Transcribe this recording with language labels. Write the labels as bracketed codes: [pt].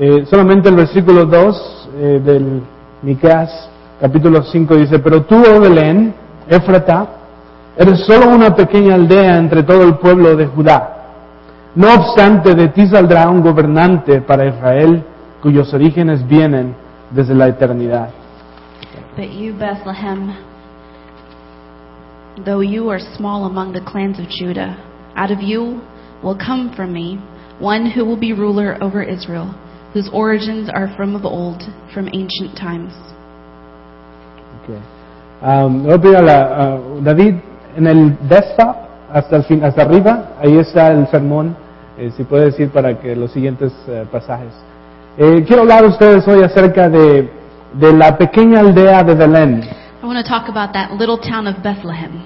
[es] Solamente el versículo 2 del Miqueas, capítulo 5, dice: Pero tú, oh Belén, Éfrata, eres solo una pequeña aldea entre todo el pueblo de Judá. No obstante, de ti saldrá un gobernante para Israel, cuyos orígenes vienen desde la eternidad. [en] But you, Bethlehem, though you are small among the clans of Judah, out of you will come for me one who will be ruler over Israel, whose origins are from of old, from ancient times. Okay. [es] David, en el desktop, hasta arriba, ahí está el sermón. Si puede decir para que los siguientes pasajes. Quiero hablar a ustedes hoy acerca de la pequeña aldea de Belén. [en] I want to talk about that little town of Bethlehem.